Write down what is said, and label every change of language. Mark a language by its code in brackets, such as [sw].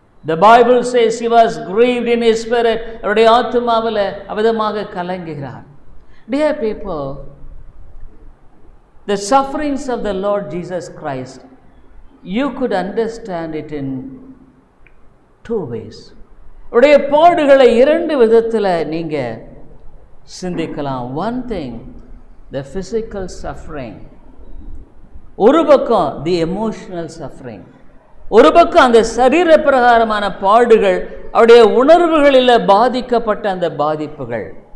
[en] The Bible says he was grieved in his spirit. [ta] அவருடைய ஆத்மாவில் அவிதமாக கலங்குகிறார். [en] Dear people, the sufferings of the Lord Jesus Christ, you could understand it in two ways. [ta] அவருடைய பாடுகளை இரண்டு விதத்தில் நீங்கள் சிந்திக்கலாம். [en] One thing, the physical suffering. [ta] ஒரு பக்கம் [en] the emotional suffering. [ta] ஒரு பக்கம் அந்த சரீர பிரகாரமான பாடுகள், அவருடைய உணர்வுகளில் பாதிக்கப்பட்ட அந்த பாதிப்புகள்.